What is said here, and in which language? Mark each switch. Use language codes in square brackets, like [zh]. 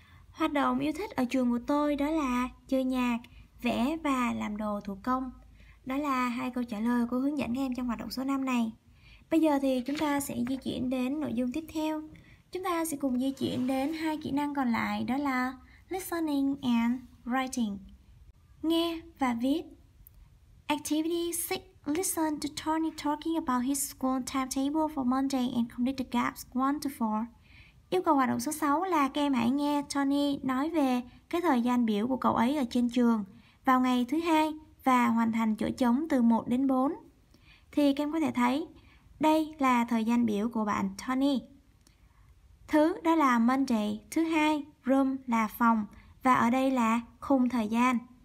[vi] Hoạt động yêu thích ở trường của tôi đó là chơi nhạc, vẽ và làm đồ thủ công. Đó là hai câu trả lời cô hướng dẫn các em trong hoạt động số 5 này. Bây giờ thì chúng ta sẽ di chuyển đến nội dung tiếp theo. Chúng ta sẽ cùng di chuyển đến hai kỹ năng còn lại đó là listening and writing. Nghe và viết. [en] Activity 6. Listen to Tony talking about his school timetable for Monday and complete the gaps 1 to 4. [vi] Yêu cầu hoạt động số 6 là các em hãy nghe Tony nói về cái thời gian biểu của cậu ấy ở trên trường vào ngày thứ hai và hoàn thành chỗ trống từ 1 đến 4. Thì các em có thể thấy đây là thời gian biểu của bạn Tony. Thứ đó là Monday, thứ hai, room là phòng và ở đây là khung thời gian.